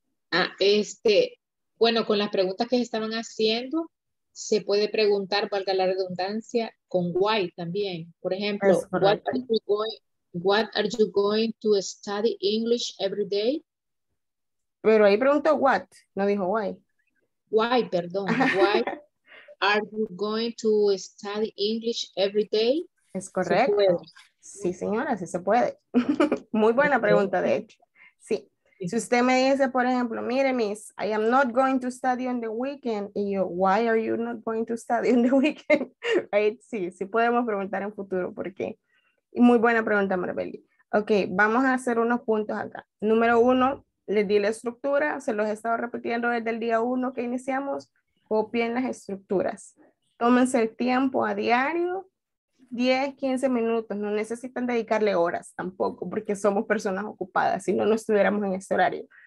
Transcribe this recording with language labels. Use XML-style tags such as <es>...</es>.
<es>Ah, bueno, con las preguntas que estaban haciendo, se puede preguntar, valga la redundancia, con why también. Por ejemplo,</es> <en>what are you going to study English every day?</en> <es>Pero ahí preguntó what, no dijo why. Why, perdón.</es> <en>Why are you going to study English every day?</en> <es>Es correcto. Sí, señora, sí se puede. Muy buena pregunta, de hecho. Sí. Si usted me dice, por ejemplo, mire,</es> <en>miss, I am not going to study on the weekend.</en> <es>Y yo,</es> <en>why are you not going to study on the weekend? Right?</en> <es>Sí, sí podemos preguntar en futuro, ¿por qué? Muy buena pregunta, Marbeli. Ok, vamos a hacer unos puntos acá. Número uno, les di la estructura. Se los he estado repitiendo desde el día uno que iniciamos. Copien las estructuras. Tómense el tiempo a diario. 10, 15 minutos, no necesitan dedicarle horas tampoco, porque somos personas ocupadas, si no, no estuviéramos en este horario.</es>